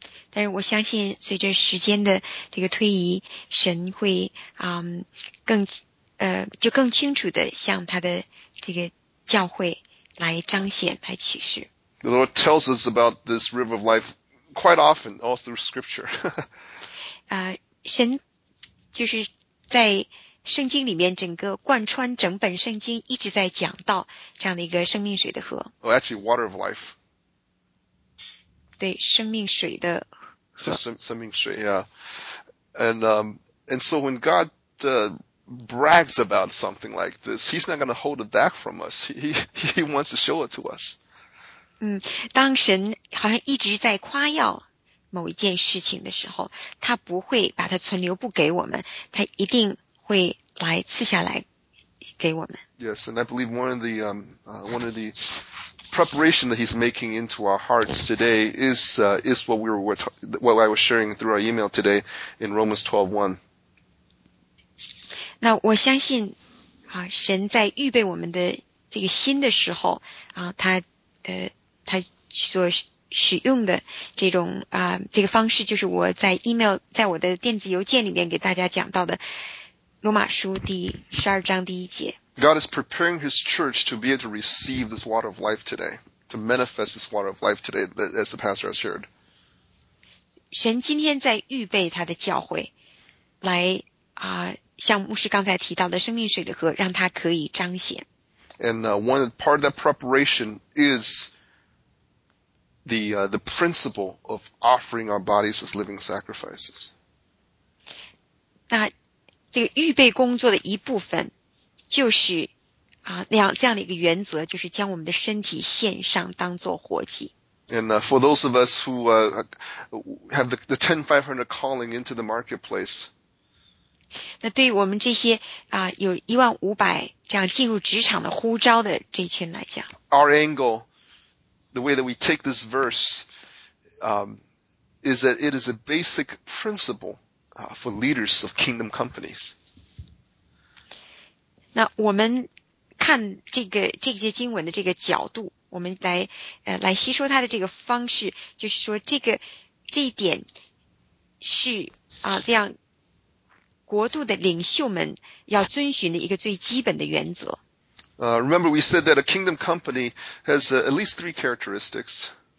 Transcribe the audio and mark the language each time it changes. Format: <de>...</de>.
<zh>但是我相信，随着时间的这个推移，神会更清楚的向他的这个教会来彰显、来启示。</zh> <en>The Lord tells us about this river of life quite often, all through Scripture.</en> <zh>神就是在圣经里面整个贯穿整本圣经一直在讲到这样的一个生命水的河。</zh> <en>Oh, actually, water of life.</en> <zh>对，生命水的河。生命水 ，yeah.</zh> <en>And so when God brags about something like this, He's not going to hold it back from us. He wants to show it to us.</en> <zh>当神好像一直在夸耀某一件事情的时候，他不会把它存留不给我们，他一定会来赐下来给我们。</zh> <en>Yes, and I believe one of the preparation that He's making into our hearts today is what we were what I was sharing through our email today in Romans 12:1.</en> <zh>那我相信神在预备我们的这个心的时候他所使用的这种这个方式，就是我在 email 在我的电子邮件里面给大家讲到的罗马书第十二章第一节。</zh> <en>God is preparing His church to be able to receive this water of life today, to manifest this water of life today, as the pastor has shared.</en> <zh>神今天在预备他的教会来像牧师刚才提到的生命水的河，让他可以彰显。</zh> <en>And one part of that preparation is the principle of offering our bodies as living sacrifices.</en> <zh>那这个预备工作的一部分就是这样的一个原则，就是将我们的身体献上当做活祭。</zh> <en>And for those of us who have the 10500 calling into the marketplace,</en> <zh>那对于我们这些有1500这样进入职场的呼召的这一群来讲，</zh> <en>Our angle, the way that we take this verse, is that it is a basic principle for leaders of kingdom companies.</en> <zh>那我们看这些经文的这个角度，我们来吸收它的这个方式，就是说这一点是这样国度的领袖们要遵循的一个最基本的原则。</zh> <en>Remember, we said that a kingdom company has at least three characteristics.</en>